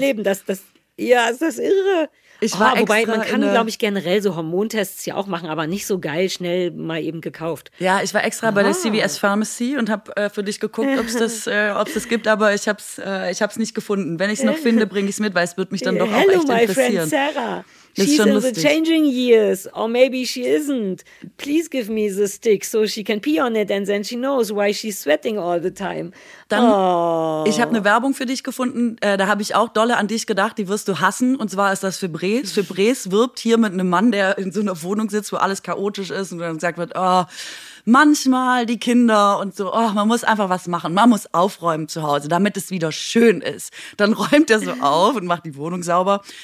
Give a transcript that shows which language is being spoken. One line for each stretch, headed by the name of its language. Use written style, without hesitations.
German: Ich kann damit leben. Ist das irre? Wobei, man kann, glaube ich, generell so Hormontests ja auch machen, aber nicht so geil schnell mal eben gekauft. Ja, ich war extra bei der CVS Pharmacy und habe für dich geguckt, ob es das gibt, aber ich habe es nicht gefunden. Wenn ich es noch finde, bringe ich es mit, weil es wird mich dann doch auch echt interessieren.
English: Hello, my friend Sarah. She's in the changing years, or maybe she isn't. Please give me the stick so she can pee on it and then she knows why she's sweating all the time.
German: Ich habe eine Werbung für dich gefunden, da habe ich auch dolle an dich gedacht, die wirst du hassen. Und zwar ist das Febreze. Febreze wirbt hier mit einem Mann, der in so einer Wohnung sitzt, wo alles chaotisch ist und dann gesagt wird, manchmal die Kinder und so, man muss einfach was machen. Man muss aufräumen zu Hause, damit es wieder schön ist. Dann räumt er so auf und macht die Wohnung sauber.